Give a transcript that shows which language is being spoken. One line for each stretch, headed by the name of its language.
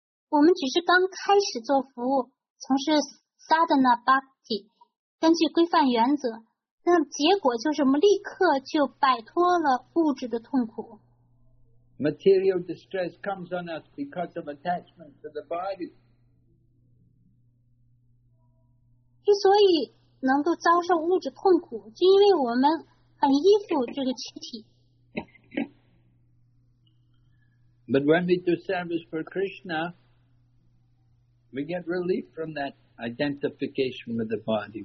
Chinese: 我们只是刚开始做服务，从事 sadhana bhakti， 根据规范原则，那结果就是我们立刻就摆脱了物质的痛苦。
English: Material distress comes on us because of attachment to the body.
Chinese: 之所以能够遭受物质痛苦，就因为我们很依附这个躯体。
English: But when we do service for Krishna, we get relief from that identification with the body.